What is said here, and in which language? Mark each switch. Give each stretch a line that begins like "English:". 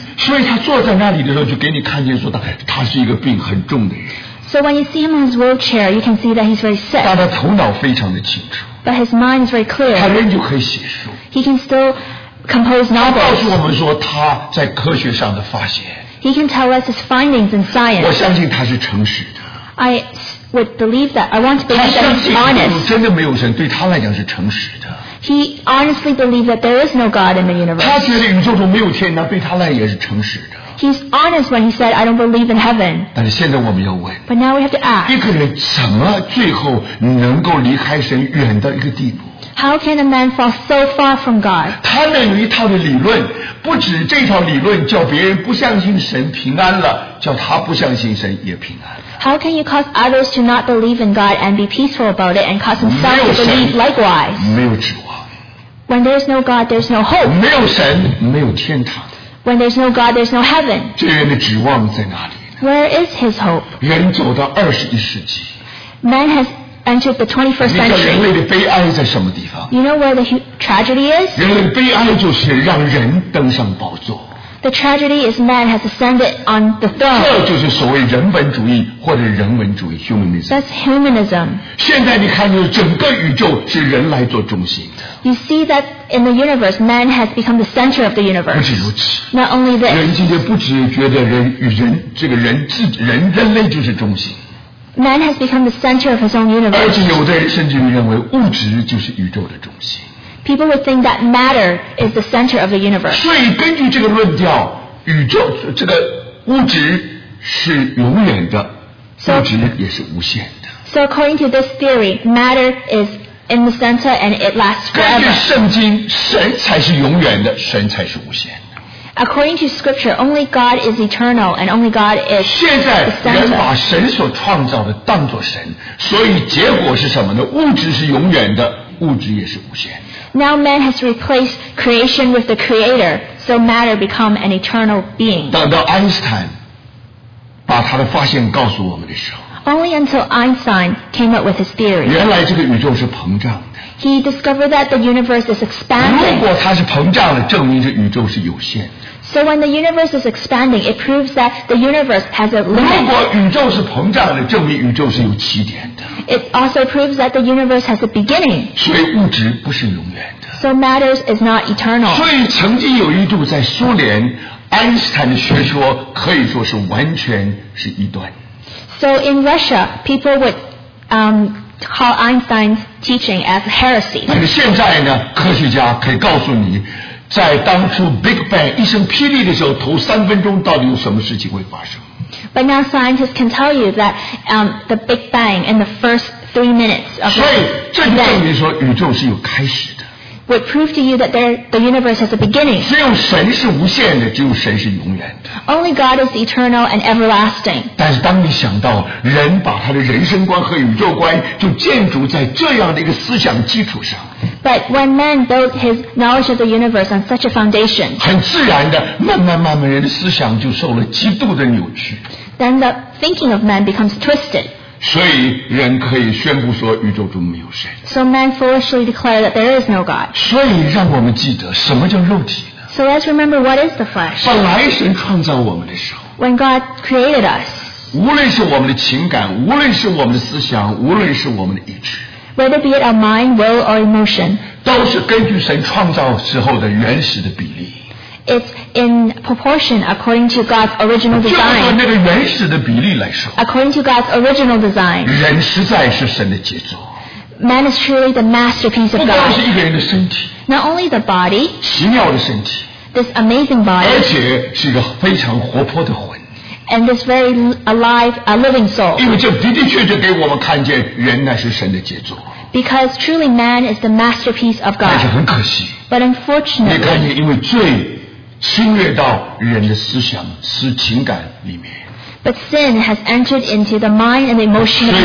Chinese: 所以他坐在那里的时候就给你看见说 他是一个病很重的人。
English: So when you see him in his wheelchair, you can see that he's very sick.
Chinese: 但他头脑非常的清楚。
English: But his mind is very clear.
Chinese: 他仍旧可以写书。
English: He can still compose novels.
Chinese: 他告诉我们说他在科学上的发现。
English: He can tell us his findings in science.
Chinese: 我相信他是诚实的。
English: I would believe that. I want to believe that he's honest.
Chinese: 他真的没有神，对他来讲是诚实的。
English: He honestly believed that there is no God in the universe.
Chinese: 他觉得宇宙中没有天，那对他来也是诚实的。
English: He's honest when he said, I don't believe in heaven.
Chinese: 但是现在我们要问。
English: But now we have to ask.
Chinese: 一个人怎么最后能够离开神远到一个地步？
English: How can a man fall so far from God?
Chinese: 他那有一套的理论，不止这套理论叫别人不相信神平安了，叫他不相信神也平安。
English: How can you cause others to not believe in God and be peaceful about it and cause himself to believe likewise?
Chinese: 没有指望。
English: When there's no God, there's no hope.
Chinese: 没有神，没有天堂。
English: When there's no God, there's no heaven.
Chinese: 这人的指望在哪里呢？
English: Where is his hope?
Chinese: 人走到二十一世纪。
English: Man has entered the 21st century.
Chinese: 你知道人类的悲哀在什么地方？
English: You know where the tragedy is?
Chinese: 人类的悲哀就是让人登上宝座。
English: The tragedy is man has ascended on the throne.
Chinese: 这就是所谓人本主义或者人文主义 humanism.
English: That's humanism.
Chinese: 现在你看就是整个宇宙是人来做中心的。
English: You see that in the universe, man has become the center of the universe.
Chinese: 不止如此。
English: Not only this.
Chinese: 人今天不止觉得人与人这个人自人人类就是中心。
English: Man has become the center of his own universe.
Chinese: 而且有的人甚至于认为物质就是宇宙的中心。
English: People would think that matter is the center of the universe.
Chinese: 所以根据这个论调，宇宙这个物质是永远的，物质也是无限的。
English: So according to this theory, matter is in the center and it lasts forever.
Chinese: 根据圣经，神才是永远的，神才是无限的。
English: According to scripture, only God is eternal and only God is the center.
Chinese: 现在人把神所创造的当作神，所以结果是什么呢？物质是永远的，物质也是无限的。
English: Now man has replaced creation with the creator, so matter become an eternal being.
Chinese: 等到 Einstein 把他的发现告诉我们的时候
English: Only until Einstein came up with his theory.
Chinese: 原来这个宇宙是膨胀的
English: He discovered that the universe is expanding.
Chinese: 如果它是膨胀的，证明这宇宙是有限的
English: So when the universe is expanding, it proves that the universe has a limit.
Chinese: 如果宇宙是膨胀的，证明宇宙是有起点的
English: It also proves that the universe has a beginning.
Chinese: 所以物质不是永远的。
English: So matters is not eternal.
Chinese: 所以曾经有一度在苏联，爱因斯坦的学说可以说是完全是异端。
English: So in Russia, people would call Einstein's teaching as heresy.
Chinese: 但是现在呢，科学家可以告诉你，在当初 Big Bang 一声霹雳的时候，头三分钟到底有什么事情会发生？
English: But now scientists can tell you that the Big Bang in the first 3 minutes of
Chinese: the Big Bang. 所以这就证明说宇宙是有开始的。
English: Would prove to you that the universe has a beginning.
Chinese: 只有神是无限的，只有神是永远的。
English: Only God is eternal and everlasting.
Chinese: 但是当你想到人把他的人生观和宇宙观就建筑在这样的一个思想基础上。
English: But when man built his knowledge of the universe on such a foundation,
Chinese: 很自然的，慢慢慢慢，人的思想就受了极度的扭曲。
English: Then the thinking of man becomes twisted.
Chinese: 所以人可以宣布说宇宙中没有神。
English: So man foolishly declared that there is no God.
Chinese: 所以让我们记得什么叫肉体呢
English: ？So let's remember what is the flesh.
Chinese: 本来神创造我们的时候
English: ，When God created us，
Chinese: 无论是我们的情感，无论是我们的思想，无论是我们的意志。
English: Whether be it our mind, will, or emotion,
Chinese: 都是根据神创造时候的原始的比例。
English: It's in proportion according to God's original design.
Chinese: 就按照那个原始的比例来说。
English: According to God's original design.
Chinese: 人实在是神的杰作。
English: Man is truly the masterpiece of God.
Chinese: 不光是一个人的身体。
English: Not only the body.
Chinese: 奇妙的身体。
English: This amazing body.
Chinese: 而且是一个非常活泼的魂。
English: And this very alive, a living soul.
Chinese: 因为这的的确确给我们看见，人乃是神的杰作。
English: Because truly, man is the masterpiece of God.
Chinese: 而且很可惜。
English: But unfortunately,
Chinese: 你看见，因为罪侵略到人的思想、思情感里面。
English: But sin has entered into the mind and the emotion of man.